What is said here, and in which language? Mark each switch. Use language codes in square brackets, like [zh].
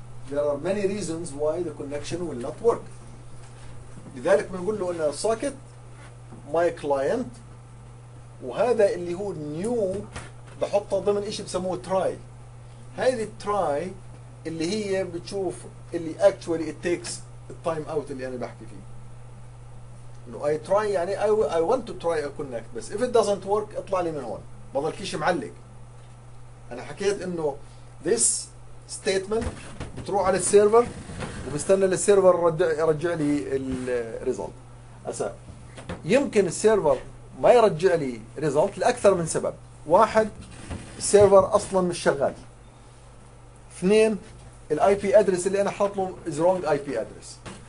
[en] There are many reasons why the connection will not work. [ar] لذلك بنقول له انه socket my client، وهذا اللي هو النيو بحطه ضمن إشي بسموه تراي. هذه التراي اللي هي بتشوف اللي [en] actually it takes time out [ar] اللي أنا بحكي فيه. [en] No, I try يعني I want to try a connect، بس if it doesn't work [ar] اطلع لي من هون، بضل كيش معلق. أنا حكيت إنه [en] this statement [ar] بتروح على السيرفر وبستنى للسيرفر يرجع لي الريزلت. أسا يمكن السيرفر ما يرجع لي ريزلت لأكثر من سبب. واحد، السيرفر أصلا مش شغال. اثنين، الاي بي ادرس اللي أنا حاط له [en] is wrong IP address.